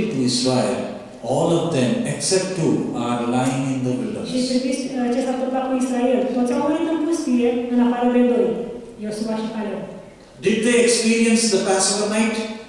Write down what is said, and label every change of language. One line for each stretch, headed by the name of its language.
English: Israel, all of them except two are lying in the wilderness.
Romanian: Și priviți ce s-a întâmplat cu Israel. Toți au murit în pustie, în afară de doi. Iosua și Caleb.
English: Did they experience the Passover night?